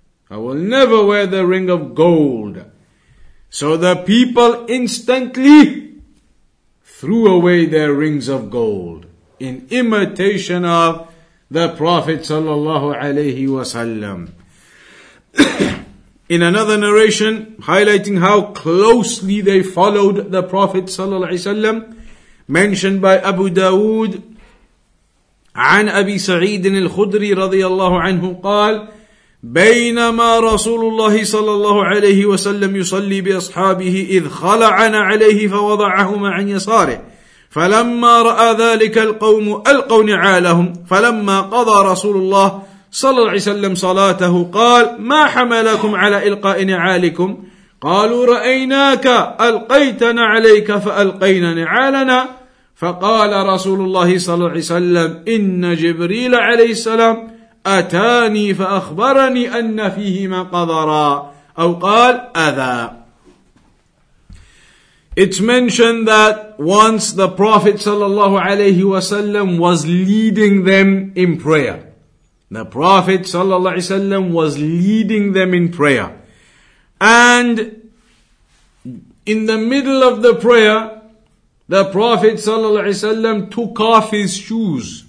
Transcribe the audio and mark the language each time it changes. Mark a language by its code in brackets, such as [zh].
[en] I will never wear the ring of gold. So the people instantly threw away their rings of gold in imitation of the Prophet sallallahu alayhi wasallam. In another narration, highlighting how closely they followed the Prophet sallallahu alayhi wasallam, mentioned by Abu Dawood, [ar] عن أبي سعيد الخدري رضي الله عنه قال بينما رسول الله صلى الله عليه وسلم يصلي بأصحابه إذ خلع عليه فوضعهما عن يساره فلما رأى ذلك القوم ألقوا نعالهم فلما قضى رسول الله صلى الله عليه وسلم صلاته قال ما حملكم على إلقاء نعالكم قالوا رأيناك ألقيتنا عليك فألقينا نعالنا فقال رسول الله صلى الله عليه وسلم إن جبريل عليه السلام أتاني فأخبرني أن فيهما قذرا أو قال أذى. [en] It's mentioned that once the Prophet sallallahu alayhi wasallam was leading them in prayer. The Prophet sallallahu alayhi wasallam was leading them in prayer. And in the middle of the prayer, the Prophet sallallahu alayhi wasallam took off his shoes.